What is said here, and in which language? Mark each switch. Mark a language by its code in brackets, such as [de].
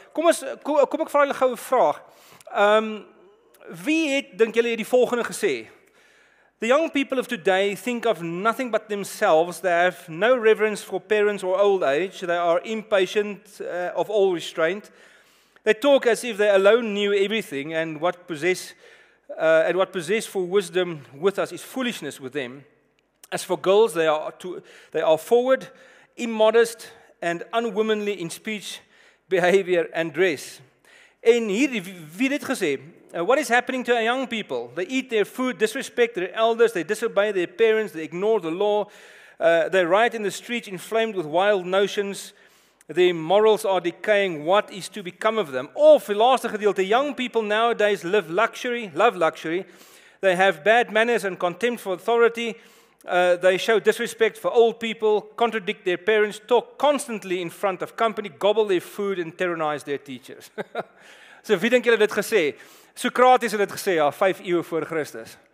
[af] Kom ek vraag julle gauwe vraag. Wie het, denk julle, die volgende gesê? [en] The young people of today think of nothing but themselves. They have no reverence for parents or old age. They are impatient of all restraint. They talk as if they alone knew everything and what possess for wisdom with us is foolishness with them. As for girls, they are forward, immodest and unwomanly in speech, behavior and dress. [af] En hier, wie dit gesê, [en] what is happening to our young people? They eat their food, disrespect their elders, they disobey their parents, they ignore the law, they riot in the streets inflamed with wild notions, their morals are decaying, what is to become of them? [af] Of, die laaste gedeelte, [en] young people nowadays love luxury, they have bad manners and contempt for authority, they show disrespect for old people, contradict their parents, talk constantly in front of company, gobble their food and tyrannize their teachers. [af] So wie denk julle dit gesê? Socrates het dit gesê, ja, 5 eeuwe voor Christus.